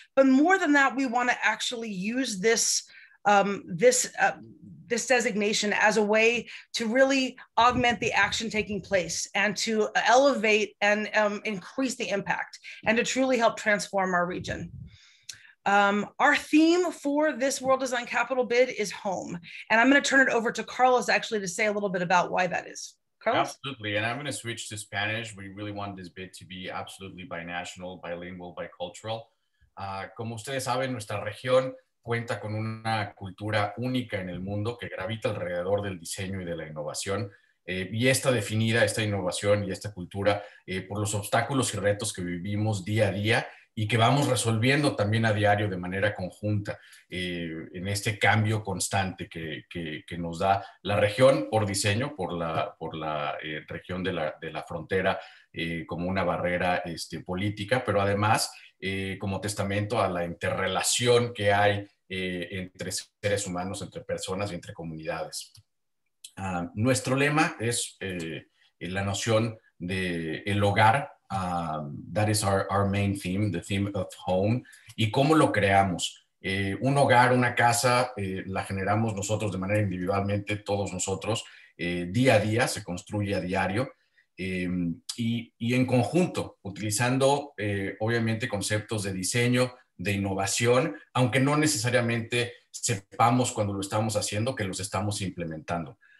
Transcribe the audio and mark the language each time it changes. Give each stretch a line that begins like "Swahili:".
English: But more than that, we want to actually use this designation as a way to really augment the action taking place and to elevate and increase the impact and to truly help transform our region. Our theme for this World Design Capital bid is home. And I'm gonna turn it over to Carlos actually to say a little bit about why that is. Carlos? Absolutely, and I'm gonna switch to Spanish. We really want this bid to be absolutely binational, bilingual, bicultural.
Spanish: Como ustedes saben, nuestra región cuenta con una cultura única en el mundo que gravita alrededor del diseño y de la innovación, y está definida esta innovación y esta cultura por los obstáculos y retos que vivimos día a día y que vamos resolviendo también a diario de manera conjunta en este cambio constante que nos da la región por diseño, por la región de la frontera como una barrera política, pero además como testamento a la interrelación que hay entre seres humanos, entre personas y entre comunidades. Nuestro lema es la noción de el hogar.
English: That is our main theme, the theme of home.
Spanish: ¿Y cómo lo creamos? Un hogar, una casa, la generamos nosotros de manera individualmente, todos nosotros, día a día, se construye a diario. Y en conjunto, utilizando obviamente conceptos de diseño, de innovación, aunque no necesariamente sepamos cuando lo estamos haciendo que los estamos implementando.